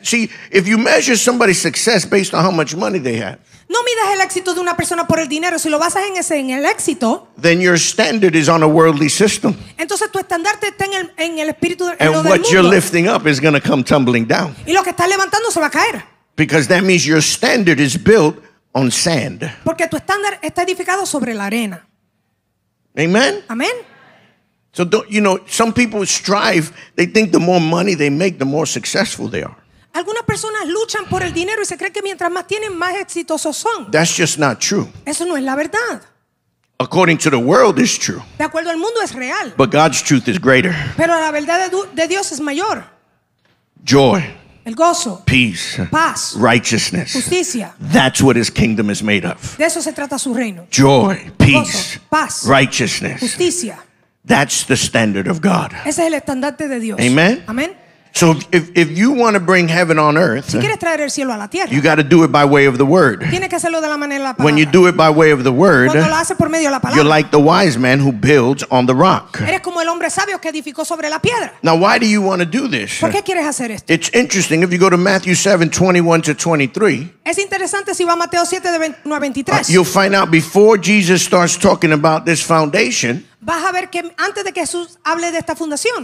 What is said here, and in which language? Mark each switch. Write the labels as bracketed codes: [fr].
[en] See, if you measure somebody's success based on how much money they have. [es] No midas el éxito de una persona por el dinero. Si lo basas en ese, en el éxito. [en] Then your standard is on a worldly system. [es] Entonces tu estandarte está en el espíritu del mundo. [en] And what you're lifting up is going to come tumbling down. [es] Y lo que estás levantando se va a caer. [en] Because that means your standard is built on sand. [es] Porque tu estándar está edificado sobre la arena. [en] Amen. [es] Amen. [en] So don't, you know, some people strive. They think the more money they make, the more successful they are. [es] Algunas personas luchan por el dinero y se creen que mientras más tienen, más exitosos son. [en] That's just not true. [es] Eso no es la verdad. [en] According to the world, it's true. [es] De acuerdo al mundo, es real. [en] But God's truth is greater. [es] Pero la verdad de Dios es mayor. [en] Joy. [es] El gozo. [en] Peace. [es] Paz. [en] Righteousness. [es] Justicia. [en] That's what his kingdom is made of. [es] De eso se trata su reino. [en] Joy. Peace. [es] Gozo, paz. [en] Righteousness. [es] Justicia. [en] That's the standard of God. [es] Ese es el estandarte de Dios. [en] Amen. [es] Amen. [en] So if you want to bring heaven on earth, [es] si quieres traer el cielo a la tierra, [en] you got to do it by way of the word. [es] Tienes que hacerlo de la manera de la palabra. [en] When you do it by way of the word, [es] cuando lo haces por medio de la palabra, [en] you're like the wise man who builds on the rock. [es] Eres como el hombre sabio que edificó sobre la piedra. [en] Now why do you want to do this? [es] ¿Por qué quieres hacer esto? [en] It's interesting if you go to Matthew 7:21-23. [es] Es interesante si va a Mateo 7 de 21 a 23. [en] You'll find out before Jesus starts talking about this foundation. [es] Vas a ver que antes de que Jesús hable de esta fundación.